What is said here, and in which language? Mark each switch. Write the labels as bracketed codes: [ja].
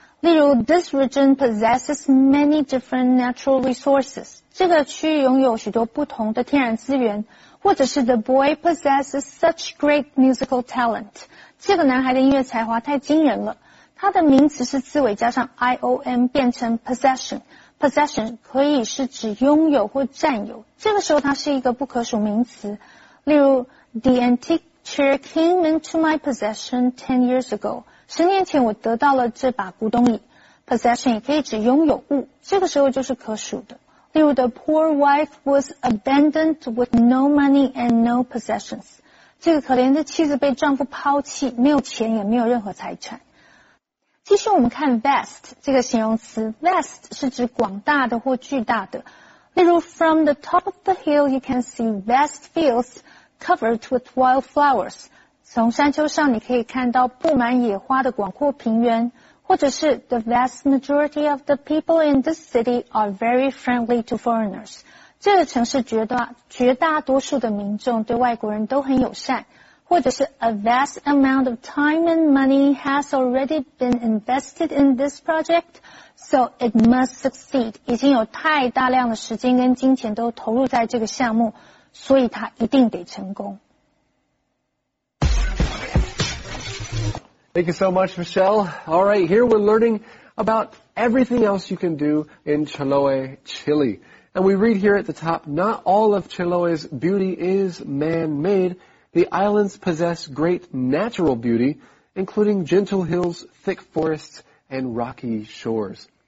[zh] 例如 [en] This region possesses many different natural resources， [zh] 这个区域拥有许多不同的天然资源，或者是 [en] The boy possesses such great musical talent， [zh] 这个男孩的音乐才华太惊人了。它的名词是字尾加上 ion 变成 possession。 Possession 可以是指拥有或占有，这个时候它是一个不可数名词。例如 [en] The antique chair came into my possession 10 years ago. [zh] 十年前我得到了这把古董椅。 Possession 也可以指拥有物，这个时候就是可数的。例如 [en] The poor wife was abandoned with no money and no possessions. [zh] 这个可怜的妻子被丈夫抛弃，没有钱也没有任何财产。继续我们看 [en] vast [zh] 这个形容词 [en] vast [zh] 是指广大的或巨大的例如 [en] from the top of the hill you can see vast fields covered with wildflowers [zh] 从山丘上你可以看到布满野花的广阔平原或者是 [en] the vast majority of the people in this city are very friendly to foreigners [zh] 这个城市绝大多数的民众对外国人都很友善或者是 [en] a vast amount of time and money has already been invested in this project, so it must succeed. [zh] 已经有太大量的时间跟金钱都投入在这个项目，所以它一定得成功。 [en] Thank you so much, Michelle. All right, here we're learning about everything else you can do in Chiloé, Chile. And we read here at the top, not all of Chiloé's beauty is man-made,The islands possess great natural beauty, including gentle hills, thick forests, and rocky shores.